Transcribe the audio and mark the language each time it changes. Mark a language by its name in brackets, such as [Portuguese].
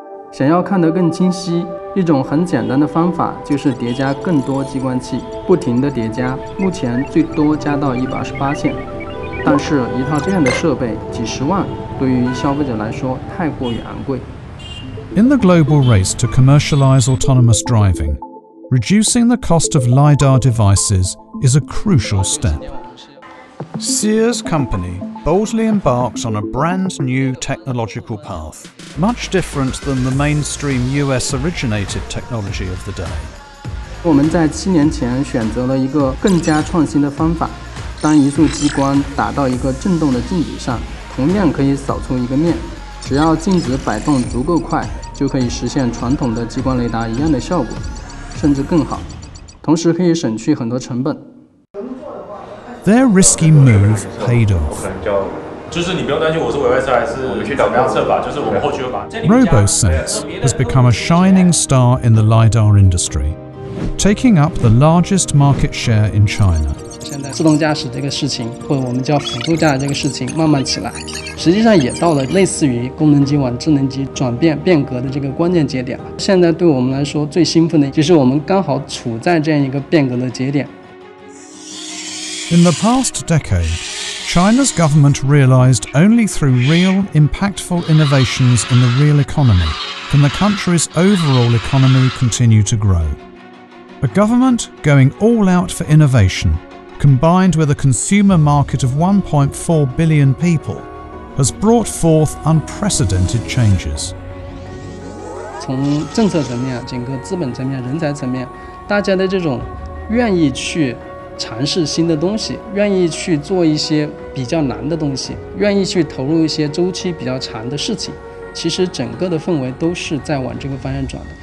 [Chinese] 想要看得更清晰，一种很简单的方法就是叠加更多激光器，不停地叠加，目前最多加到128线。但是一套这样的设备几十万对于消费者来说太过于昂贵。 [English] In the global race to commercialize autonomous driving, reducing the cost of LiDAR devices is a crucial step. Sears Company boldly embarks on a brand new technological path, much different than the mainstream US-originated technology of the day. [Chinese] 我们在七年前选择了一个更加创新的方法。当一束激光打到一个振动的镜子上，同样可以扫出一个面。只要镜子摆动足够快，就可以实现传统的激光雷达一样的效果，甚至更好，同时可以省去很多成本。 [English] Their risky move paid off. [Chinese] 就是你不用担心我是伪外设还是怎么样测吧，就是我们后续会把。 [English] RoboSense has become a shining star in the LiDAR industry, taking up the largest market share in China. [Chinese] 现在自动驾驶这个事情，或者我们叫辅助驾驶这个事情慢慢起来，实际上也到了类似于功能机往智能机转变变革的这个关键节点了。现在对我们来说最兴奋的就是我们刚好处在这样一个变革的节点。 [English] In the past decade, China's government realized only through real, impactful innovations in the real economy can the country's overall economy continue to grow. A government going all out for innovation. Combined with a consumer market of 1.4 billion people, has brought forth unprecedented changes. [Chinese] 从政策层面、整个资本层面、人才层面，大家的这种愿意去尝试新的东西，愿意去做一些比较难的东西，愿意去投入一些周期比较长的事情，其实整个的氛围都是在往这个方向转的。